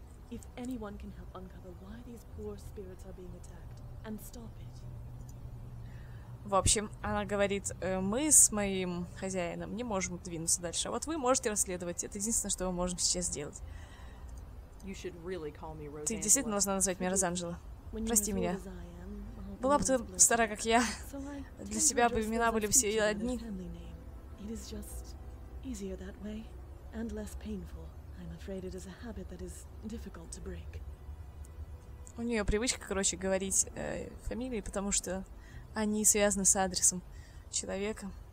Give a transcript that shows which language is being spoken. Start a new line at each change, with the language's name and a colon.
English: If anyone can help uncover why these poor spirits are being attacked and stop it.
Russian: В общем, она говорит, мы с моим хозяином не можем двинуться дальше, а вот вы можете расследовать, это единственное, что мы можем сейчас сделать.
English: You should really call me Rosangela.
Russian: Ты действительно должна назвать меня Розанджела. Прости меня. Была бы ты стара, как я, для тебя бы имена были все одни.
English: It is just easier that way and less painful. I'm afraid it is a habit that is difficult to break.
Russian: У нее привычка, короче, говорить фамилии, потому что они связаны с адресом человека.